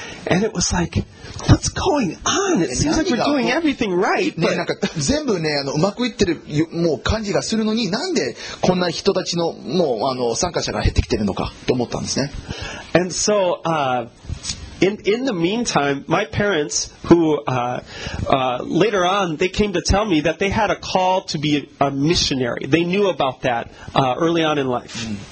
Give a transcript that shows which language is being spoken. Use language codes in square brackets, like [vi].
[en] And it was like, what's going on? It seems like we're doing everything right. [ja] ね、なんか全部ね、あの、うまくいってるもう感じがするのに、なんでこんな人たちのもうあの参加者が減ってきてるのかと思ったんですね。 [en] And so, in the meantime, my parents, who later on, they came to tell me that they had a call to be a missionary. They knew about that early on in life.